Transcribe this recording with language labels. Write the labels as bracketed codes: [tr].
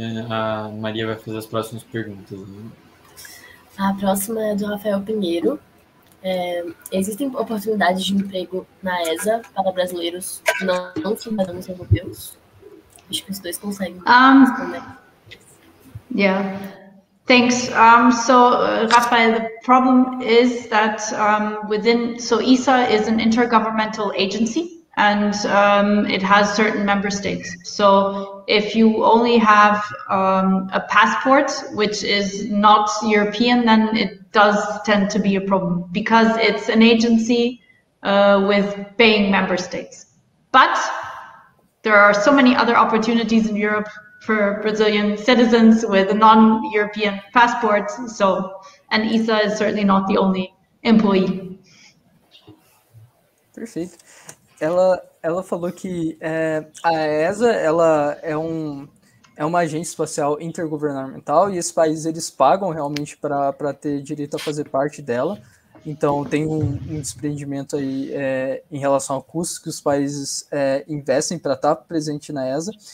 [pt] A Maria vai fazer as próximas perguntas. Né? A próxima é do Rafael Pinheiro. Existem oportunidades de emprego na ESA para brasileiros não cidadãos europeus? Acho que os dois conseguem responder. [en] Yeah. Thanks. Rafael, the problem is that ESA is an intergovernmental agency. And it has certain member states. So if you only have a passport, which is not European, then it does tend to be a problem because it's an agency with paying member states. But there are so many other opportunities in Europe for Brazilian citizens with a non-European passport. So, and ESA is certainly not the only employee. Perfect. [pt] Ela falou que a ESA ela é uma agência espacial intergovernamental e esses países eles pagam realmente para ter direito a fazer parte dela. Então tem um desprendimento aí em relação ao custo que os países investem para estar presente na ESA.